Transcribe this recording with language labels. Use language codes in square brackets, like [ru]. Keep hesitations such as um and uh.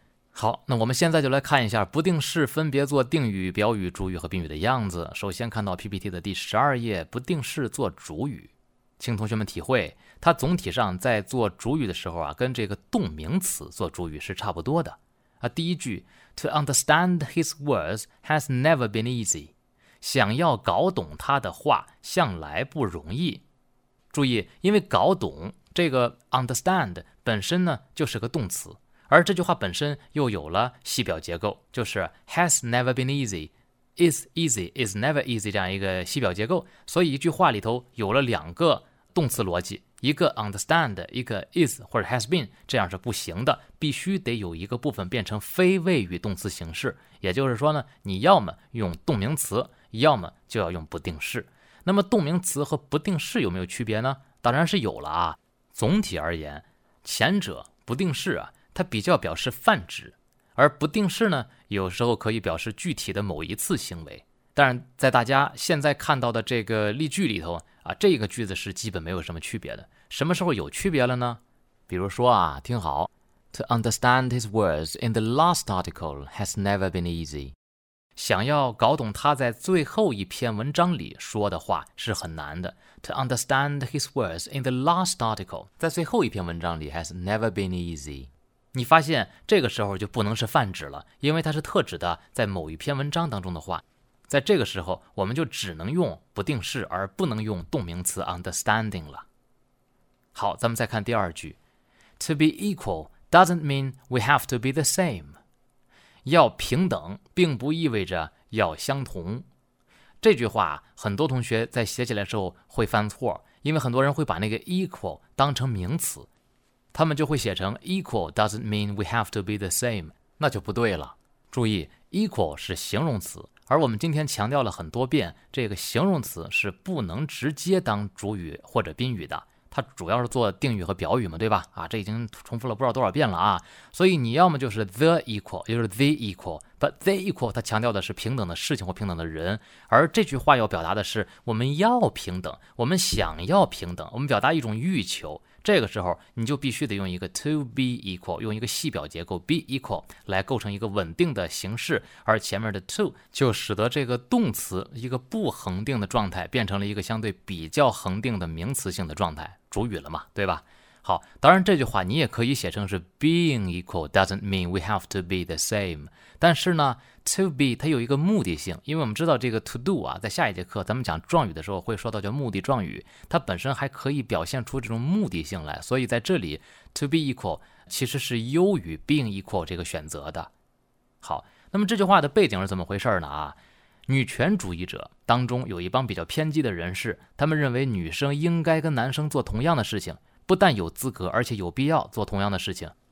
[zh] 好，那我们现在就来看一下不定式分别做定语、表语、主语和宾语的样子。首先看到 PPT 的第十二页，不定式做主语。请同学们体会，它总体上在做主语的时候啊，跟这个动名词做主语是差不多的啊。第一句， [en] To understand his words has never been easy。 [zh] 想要搞懂他的话，向来不容易。注意，因为搞懂这个 understand 本身呢，就是个动词，而这句话本身又有了系表结构，就是 [en] has never been easy。 is easy is never easy [zh] 这样一个系表结构，所以一句话里头有了两个动词逻辑，一个 understand，一个 is 或者 has been，这样是不行的，必须得有一个部分变成非谓语动词形式。也就是说呢，你要么用动名词，要么就要用不定式。那么动名词和不定式有没有区别呢？当然是有了啊。总体而言，前者不定式啊，它比较表示泛指。而不定式呢，有时候可以表示具体的某一次行为。当然，在大家现在看到的这个例句里头啊，这个句子是基本没有什么区别的。什么时候有区别了呢？比如说啊，听好， [en] To understand his words in the last article has never been easy。 [zh] 想要搞懂他在最后一篇文章里说的话是很难的。 [en] To understand his words in the last article [zh] 在最后一篇文章里 [en] has never been easy。 [zh] 你发现这个时候就不能是泛指了，因为它是特指的，在某一篇文章当中的话，在这个时候我们就只能用不定式，而不能用动名词 understanding 了。好，咱们再看第二句， [en] To be equal doesn't mean we have to be the same。 [zh] 要平等并不意味着要相同。这句话很多同学在写起来时候会犯错，因为很多人会把那个 equal 当成名词。他们就会写成 [en] equal doesn't mean we have to be the same， [zh] 那就不对了。注意，equal 是形容词，而我们今天强调了很多遍，这个形容词是不能直接当主语或者宾语的，它主要是做定语和表语嘛，对吧？啊，这已经重复了不知道多少遍了啊。所以你要么就是 the equal，也就是 the equal，but the equal，它强调的是平等的事情或平等的人，而这句话要表达的是我们要平等，我们想要平等，我们表达一种欲求。这个时候，你就必须得用一个 to be equal，用一个系表结构 be equal 来构成一个稳定的形式，而前面的 to 就使得这个动词一个不恒定的状态变成了一个相对比较恒定的名词性的状态，主语了嘛，对吧？好，当然这句话你也可以写成是 [en] being equal doesn't mean we have to be the same。 [zh] 但是呢，to be 它有一个目的性，因为我们知道这个 to do 啊，在下一节课咱们讲状语的时候会说到叫目的状语，它本身还可以表现出这种目的性来。所以在这里，to be equal 其实是优于 being equal 这个选择的。好，那么这句话的背景是怎么回事呢？啊，女权主义者当中有一帮比较偏激的人士，他们认为女生应该跟男生做同样的事情，不但有资格，而且有必要做同样的事情。